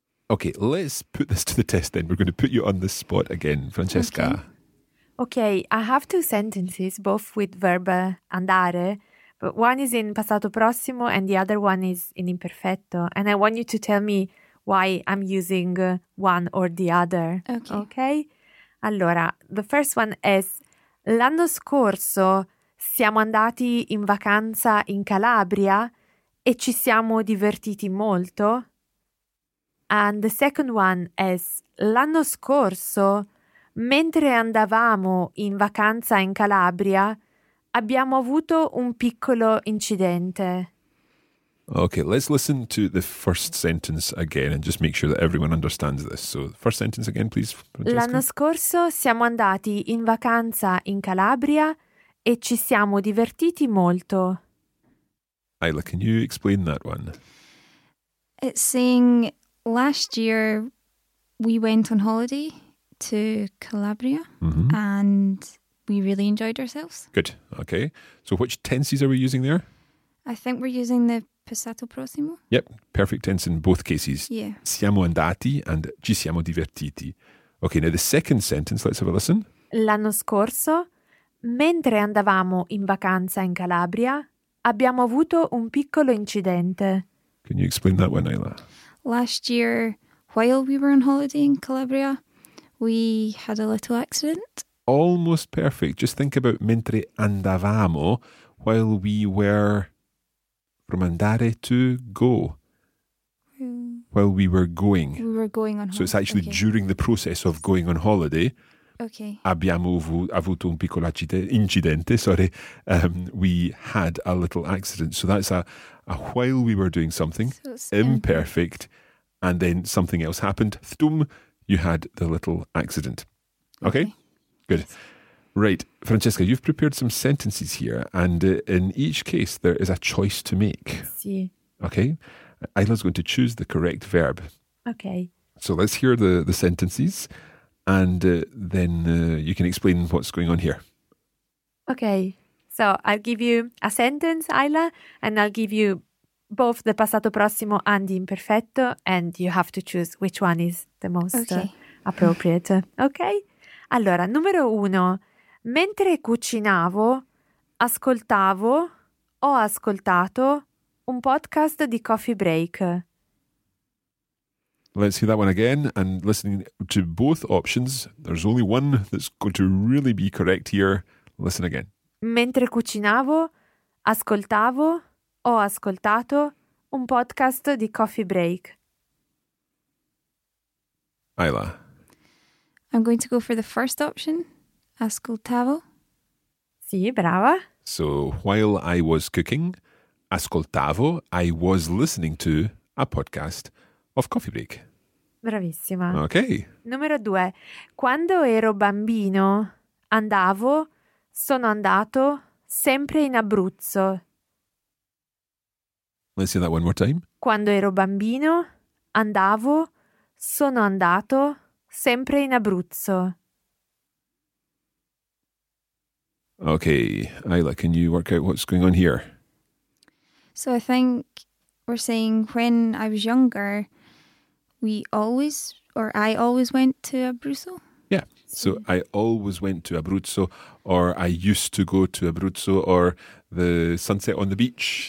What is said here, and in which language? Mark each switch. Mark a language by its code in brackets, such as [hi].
[en] Okay, let's put this to the test then. We're going to put you on the spot again, Francesca. Okay, I have two sentences, both with verb andare. But one is in passato prossimo and the other one is in imperfetto. And I want you to tell me why I'm using one or the other. Okay. Okay? [it] Allora, [en] the first one is, [it] l'anno scorso siamo andati in vacanza in Calabria e ci siamo divertiti molto. [en] And the second one is, [it] l'anno scorso, mentre andavamo in vacanza in Calabria, abbiamo avuto un piccolo incidente. [en] Okay, let's listen to the first sentence again and just make sure that everyone understands this. So, first sentence again, please, Francesca. [it] L'anno scorso siamo andati in vacanza in Calabria e ci siamo divertiti molto. [en] Ayla, can you explain that one? It's saying last year we went on holiday to Calabria and we really enjoyed ourselves. Good. Okay. So which tenses are we using there? I think we're using the passato prossimo. Yep. Perfect tense in both cases. Yeah. [it] Siamo andati [en] and [it] ci siamo divertiti. [en] Okay. Now the second sentence, let's have a listen. [it] L'anno scorso, mentre andavamo in vacanza in Calabria, abbiamo avuto un piccolo incidente. [en] Can you explain that one, Ayla? Last year, while we were on holiday in Calabria, we had a little accident. Almost perfect. Just think about [it] mentre andavamo, [en] while we were, from andare to go. While we were going. We were going on holiday. So it's actually during the process of going on holiday. Okay. [it] Abbiamo avuto un piccolo incidente, sorry. [en] We had a little accident. So that's a while we were doing something, so imperfect, and then something else happened. Thtum, you had the little accident. Okay? Good. Right. Francesca, you've prepared some sentences here, and in each case, there is a choice to make. [it] Sí. [en] Okay? Ayla's going to choose the correct verb. Okay. So let's hear the sentences. And then you can explain what's going on here. Okay. So I'll give you a sentence, Ayla, and I'll give you both the passato prossimo and the imperfetto, and you have to choose which one is the most appropriate. Okay? [it] Allora, numero uno. Mentre cucinavo, ascoltavo, ho ascoltato un podcast di Coffee Break. [en] Let's hear that one again. And listening to both options, there's only one that's going to really be correct here. Listen again. [it] Mentre cucinavo, ascoltavo, ho ascoltato un podcast di Coffee Break. [en] Ayla. I'm going to go for the first option. [it] Ascoltavo. Sì, brava. [en] So while I was cooking, [it] ascoltavo, [en] I was listening to a podcast of Coffee Break. [it] Bravissima. Ok. Numero due. Quando ero bambino, andavo, sono andato, sempre in Abruzzo. [en] Let's say that one more time. [it] Quando ero bambino, andavo, sono andato, sempre in Abruzzo. Ok. [en] Ayla, can you work out what's going on here? So I think we're saying when I was younger, I always went to Abruzzo. Yeah. So I always went to Abruzzo, or I used to go to Abruzzo, or the sunset on the beach.